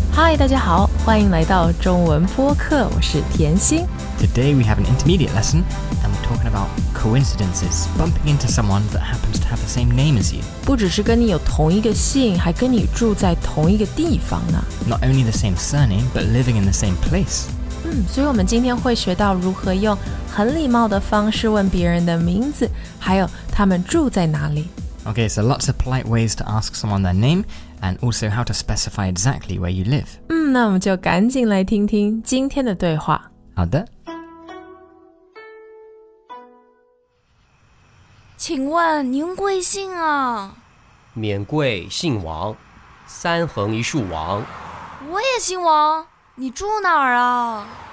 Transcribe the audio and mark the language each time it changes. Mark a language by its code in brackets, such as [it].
[zh] Hi, 大家好，欢迎来到中文播客，我是甜心。 [en] Today we have an intermediate lesson, and we're talking about coincidences, bumping into someone that happens to have the same name as you. [zh] 不只是跟你有同一个姓，还跟你住在同一个地方呢。 [en] Not only the same surname, but living in the same place. [zh] 所以我们今天会学到如何用很礼貌的方式问别人的名字，还有他们住在哪里。 [en] Okay, so lots of polite ways to ask someone their name, and also how to specify exactly where you live. [zh] 那我们就赶紧来听听今天的对话。好的。请问您贵姓啊？免贵，姓王，三横一竖王。我也姓王，你住哪儿啊？